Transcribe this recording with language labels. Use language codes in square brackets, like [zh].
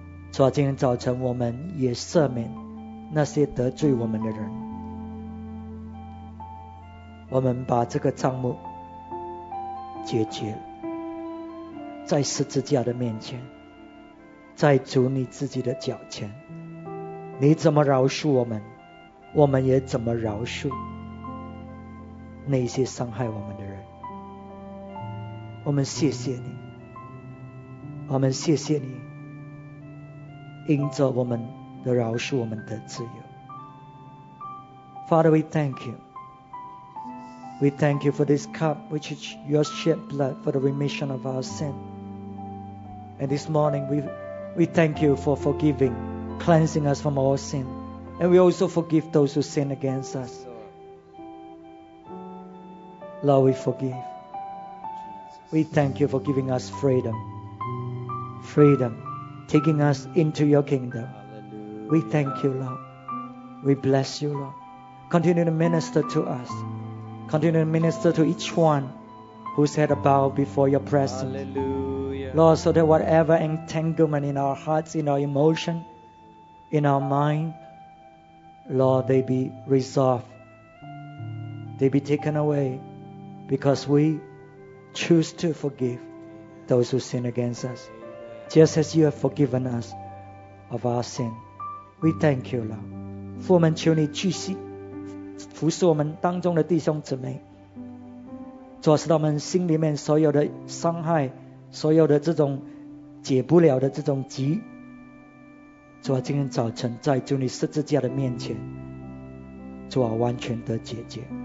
[zh] 主啊，今天早晨我们也赦免那些得罪我们的人，我们把这个账目解决在十字架的面前，在主你自己的脚前，你怎么饶恕我们，我们也怎么饶恕那些伤害我们的人。我们谢谢你，我们谢谢你，因着我们的饶恕，我们的自由。 [en] Father, we thank you. We thank you for this cup which is your shed blood for the remission of our sin. And this morning we thank you for forgiving, cleansing us from all sin. And we also forgive those who sin against us. Lord, we forgive. We thank you for giving us freedom. Freedom, taking us into your kingdom. We thank you, Lord. We bless you, Lord. Continue to minister to us. Continue to minister to each one who's had a bow before your presence. Lord, so that whatever entanglement in our hearts, in our emotion, in our mind, Lord, they be resolved. They be taken away because we choose to forgive those who sin against us. Just as you have forgiven us of our sin. We thank you, Lord. [zh] 父，我们求你继续服侍我们当中的弟兄姊妹。主啊，使到我们心里面所有的伤害，所有的这种解不了的这种疾，主啊，今天早晨在主你十字架的面前，主啊，完全的解决。